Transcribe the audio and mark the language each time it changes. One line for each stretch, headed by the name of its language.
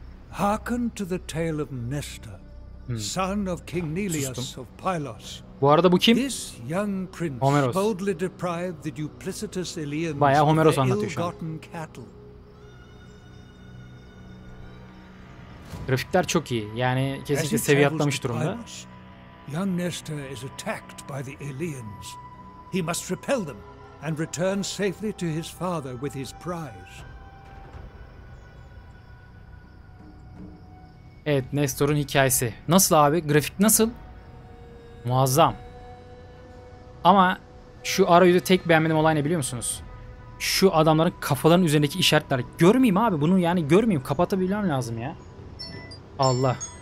English: Hearken to the tale of Nestor, son of King Neleus of Pylos.
Turkish: Bu arada bu kim?
English: This young prince
Turkish: Homeros.
English: Boldly deprived the duplicitous Ilians.
Turkish: Bayağı Homeros anlatıyor şu an. Grafikler çok iyi. Yani kesinlikle seviye atlamış durumda.
English: Pylos, young Nestor is attacked by the Ilians. He must repel them and return safely to his father with his prize.
Turkish: Evet, Nestor'un hikayesi. Nasıl abi? Grafik nasıl? Muazzam. Ama şu arayüzü tek beğenmediğim olay ne biliyor musunuz? Şu adamların kafaların üzerindeki işaretler. Görmeyeyim abi bunu, yani görmeyeyim. Kapatabilmem lazım ya. Allah.